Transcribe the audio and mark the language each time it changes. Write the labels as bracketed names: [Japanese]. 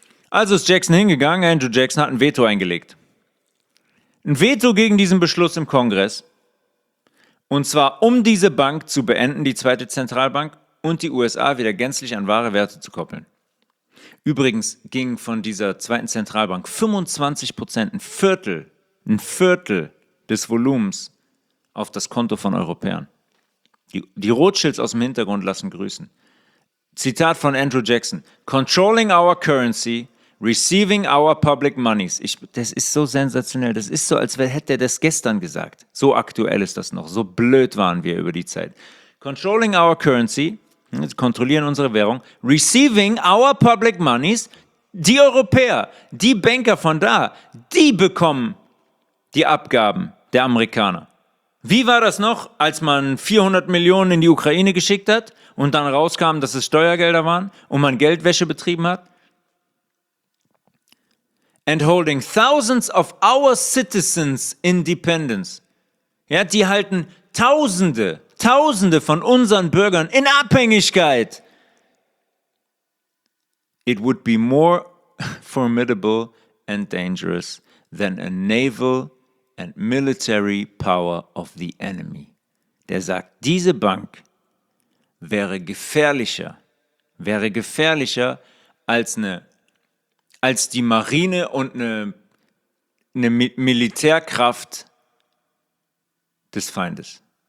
[German] Also ist Jackson hingegangen, Andrew Jackson hat ein Veto eingelegt. Ein Veto gegen diesen Beschluss im Kongress, und zwar um diese Bank zu beenden, die zweite Zentralbank, und die USA wieder gänzlich an wahre Werte zu koppeln. Übrigens gingen von dieser zweiten Zentralbank 25%, ein Viertel des Volumens auf das Konto von Europäern. Die Rothschilds aus dem Hintergrund lassen grüßen. Zitat von Andrew Jackson. [English] Controlling our currency, receiving our public monies. [German] Das ist so sensationell. Das ist so, als hätte er das gestern gesagt. So aktuell ist das noch. So blöd waren wir über die Zeit. [English] Controlling our currency, [German] kontrollieren unsere Währung, [English] receiving our public monies, [German] die Europäer, die Banker von da, die bekommen die Abgaben der Amerikaner. Wie war das noch, als man 400 Millionen in die Ukraine geschickt hat und dann rauskam, dass es Steuergelder waren und man Geldwäsche betrieben hat? [English] And holding thousands of our citizens in dependence. [German] Ja, die halten Tausende von unseren Bürgern in Abhängigkeit. [English] It would be more formidable and dangerous than a naval and military power of the enemy. [German] Der sagt, diese Bank wäre gefährlicher als die Marine und eine Militärkraft des Feindes.